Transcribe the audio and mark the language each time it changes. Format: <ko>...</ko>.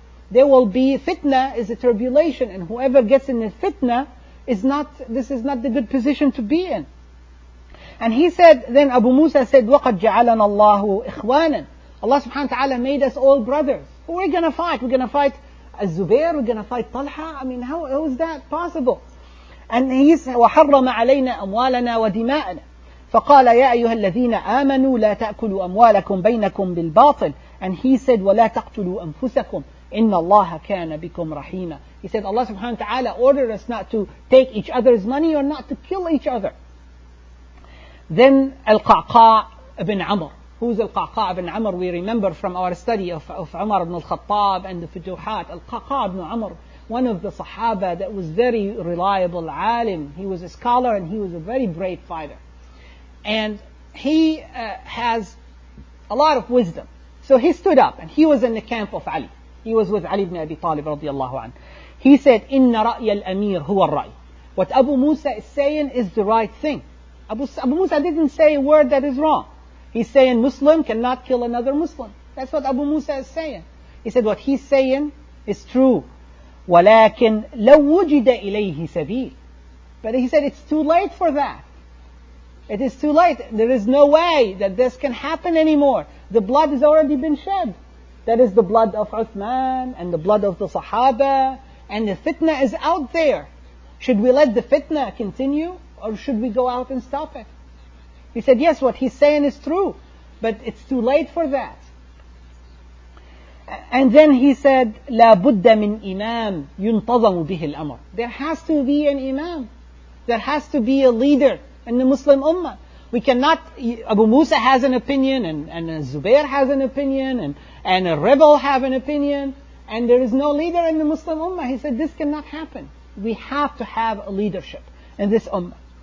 <en>There will be, fitna is a tribulation, and whoever gets in the fitna, this is not the good position to be in. And he said, then Abu Musa said,</en> <ar>وَقَدْ جَعَلَنَا اللَّهُ إِخْوَانًا.</ar> <en>Allah subhanahu wa ta'ala made us all brothers. Who are we going to fight? We're going to fight Az-Zubair? We're going to fight Talha? I mean, how is that possible? And he said,</en> <ar>وَحَرَّمَ عَلَيْنَا أَمْوَالَنَا وَدِمَاءَنَا. فَقَالَ يَا أَيُّهَا الَّذِينَ آمَنُوا لَا تَأْكُلُوا أَمْوَالَكُمْ بَيْنَكُمْ بِالْبَاطِلِ.</ar> <en>And he said,</en> <ar>وَلَا تَقْتُلُوا أَنفُسَكُمْ إِنَّ اللَّهَ كَانَ بِكُمْ رَحِيمًا.</ar> <en>He said, Allah subhanahu wa ta'ala ordered us not to take each other's money or not to kill each other. Then Al-Qa'qa' ibn Amr. Who's Al-Qa'qa' ibn Amr? We remember from our study of Umar ibn al-Khattab and the Fujuhat. Al-Qa'qa' ibn Amr, one of the Sahaba that was very reliable, alim. He was a scholar and he was a very brave fighter. And he has a lot of wisdom. So he stood up and he was in the camp of Ali. He was with Ali ibn Abi Talib radiallahu anhu. He said,</en> <ar>إِنَّ رَأْيَ الْأَمِيرِ هُوَ الرَّأْيِ.</ar> <en>What Abu Musa is saying is the right thing. Abu Musa didn't say a word that is wrong. He's saying Muslim cannot kill another Muslim. That's what Abu Musa is saying. He said what he's saying is true.</en> <ar>وَلَكِنْ لَوْ وُجِدَ إِلَيْهِ سَبِيلٌ.</ar> <en>But he said it's too late for that. It is too late. There is no way that this can happen anymore. The blood has already been shed. That is the blood of Uthman and the blood of the Sahaba. And the fitna is out there. Should we let the fitna continue? Or should we go out and stop it? He said, yes, what he's saying is true. But it's too late for that. And then he said,</en> <ar>لَا بُدَّ مِنْ إِمَامٍ يُنْتَظَمُ بِهِ الْأَمْرِ.</ar> <en>There has to be an imam. There has to be a leader in the Muslim ummah. We cannot, Abu Musa has an opinion, and Zubair has an opinion, and a rebel have an opinion, and there is no leader in the Muslim ummah. He said, this cannot happen. We have to have a leadership in this ummah.</en>